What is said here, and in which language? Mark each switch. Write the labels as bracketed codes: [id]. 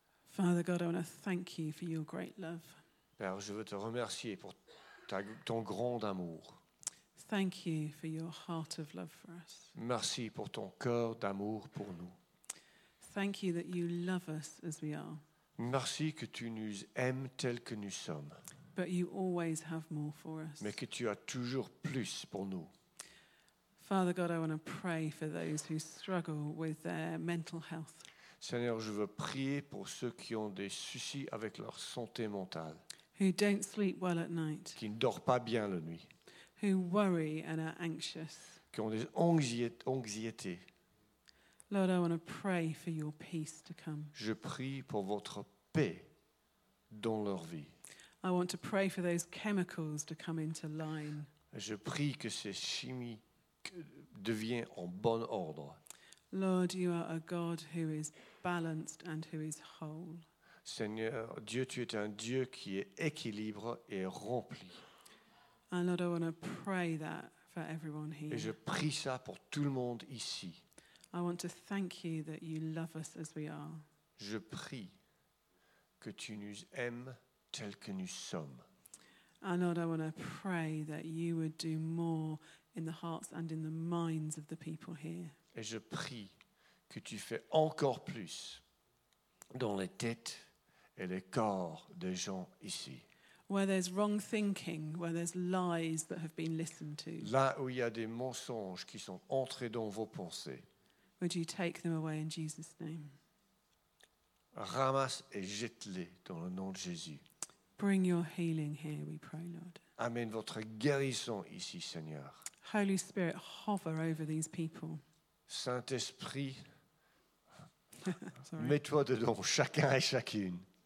[en] Father God, I want to thank you for your great love. [fr] Père, je veux te remercier pour ton grand amour. [en] Thank you for your heart of love for us. [fr] Merci pour ton cœur d'amour pour nous. [en] Thank you that you love us as we are. [fr] Merci que tu nous aimes tels que nous sommes. [en] But you always have more for us. [fr] Mais que tu as toujours plus pour nous. [en] Father God, I want to pray for those who struggle with their mental health. [fr] Seigneur, je veux prier pour ceux qui ont des soucis avec leur santé mentale. [en] Who don't sleep well at night. [fr] Qui ne dorment pas bien la nuit. [en] Who worry and are anxious. [fr] Qui ont des anxiétés. [en] Lord, I want to pray for your peace to come. [fr] Je prie pour votre paix dans leur vie. [en] I want to pray for those chemicals to come into line. [fr] Je prie que ces chimies deviennent en bon ordre. [en] Lord, you are a God who is balanced and who is whole. [fr] Seigneur, Dieu, tu es un Dieu qui est équilibré et rempli. [en] And Lord, I want to pray that for everyone here. [fr] Et je prie ça pour tout le monde ici. [en] I want to thank you that you love us as we are. [fr] Je prie que tu nous aimes tels que nous sommes. [en] And Lord, I want to pray that you would do more in the hearts and in the minds of the people here. [fr] Et je prie que tu fais encore plus dans les têtes et les corps des gens ici. [en] Where there's wrong thinking, where there's lies that have been listened to. [fr] Là où il y a des mensonges qui sont entrés dans vos pensées. [en] Would you take them away in Jesus' name? [fr] Ramasse et jette-les dans le nom de Jésus. [en] Bring your healing here, we pray, Lord. [fr] Amène votre guérison ici, Seigneur. [en] Holy Spirit, hover over these people. [fr] Saint-Esprit, mets-toi dedans chacun et chacune.